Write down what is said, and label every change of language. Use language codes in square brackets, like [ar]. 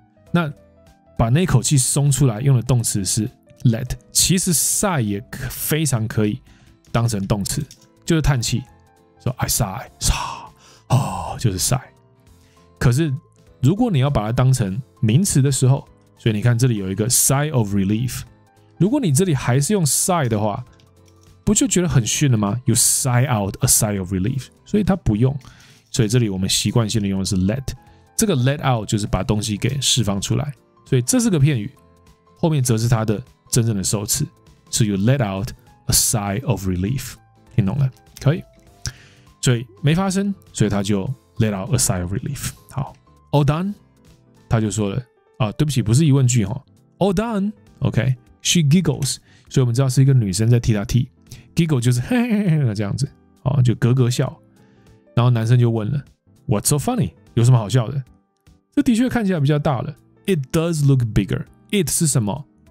[zh] 那把那口气松出来用的动词是 let， 其实 sigh 也非常可以当成动词，就是叹气，说 [en] I sigh， [zh] 就是 sigh。可是如果你要把它当成名词的时候，所以你看这里有一个 [en] sigh of relief， [zh] 如果你这里还是用 sigh 的话，不就觉得很逊了吗？ [en] You sigh out a sigh of relief， [zh] 所以它不用。所以这里我们习惯性的用的是 let， 这个 let out 就是把东西给释放出来，所以这是个片语，后面则是它的真正的受词。 [en] So you let out a sigh of relief， [zh] 听懂了？可以。所以没发生，所以他就 [en] let out a sigh of relief。 [zh] 好， all done， 他就说了，对不起，不是疑问句，all done， OK， [en] she giggles， [zh] 所以我们知道是一个女生在替他替， giggle 就是嘿嘿嘿这样子，就咯咯笑。然后男生就问了， [en] what's so funny， [zh] 有什么好笑的？这的确看起来比较大了， [en] it does look bigger， [zh] it 是什么？